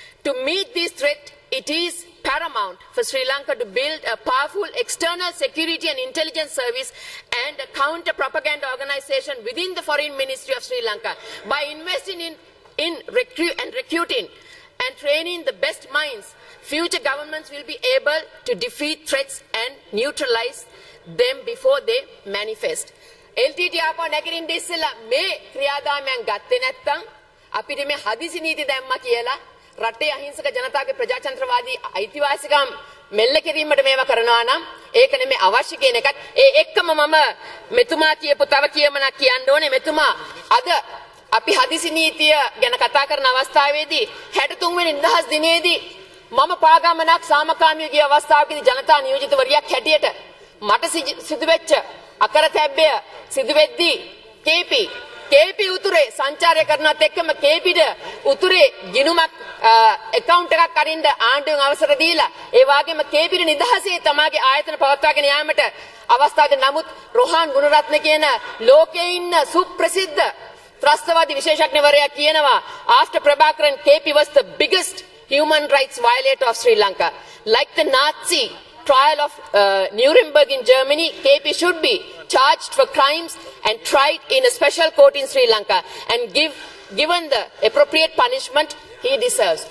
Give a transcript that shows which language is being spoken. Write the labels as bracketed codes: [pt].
[en] To meet this threat, it is paramount for Sri Lanka to build a powerful external security and intelligence service and a counter-propaganda organization within the Foreign Ministry of Sri Lanka. By investing in recruiting and training the best minds, future governments will be able to defeat threats and neutralize them before they manifest. [si] LTT ආපහු නැගිරින්න ඉස්සෙල්ලා මේ ක්‍රියාදාමයන් ගත්තේ නැත්නම් අපිට මේ හදිසි නීති දැම්මා කියලා රටේ අහිංසක ජනතාවගේ ප්‍රජාතන්ත්‍රවාදී අයිතිවාසිකම් මෙල්ල කිරීමට මේවා කරනවා නම් ඒක නෙමෙයි අවශ්‍ය කියන එකත් ඒ එක්කම මම මෙතුමා කියපු තව කියමනක් කියන්න ඕනේ මෙතුමා අද අපි හදිසි නීතිය ගැන කතා කරන අවස්ථාවේදී 63 වෙනි නිදහස් දිනයේදී මම පාගමනක් සාමකාමීව ගිය අවස්ථාවකදී ජනතා නියෝජිතවරියක් හැටියට මට සිදුවෙච්ච අකරතැබ්බය සිදුවෙද්දී KP උතුරේ සංචාරය කරනත් එක්කම KPට උතුරේ ගිණුමක් account එකක් අරින්න ආණ්ඩුවෙන් අවසර දීලා ඒ වගේම KPට නිදහසේ තමගේ ආයතන පවත්වාගෙන යාමට අවස්ථාද නමුත් රොහාන් ගුණරත්න කියන ලෝකයේ ඉන්න සුප්‍රසිද්ධ ත්‍රස්තවාදී විශේෂඥවරයා කියනවා ආෂ්ට Prabhakaran [en] KP was the biggest human rights violator of Sri Lanka. Like the Nazi trial of Nuremberg in Germany, KP should be charged for crimes and tried in a special court in Sri Lanka and given the appropriate punishment he deserves.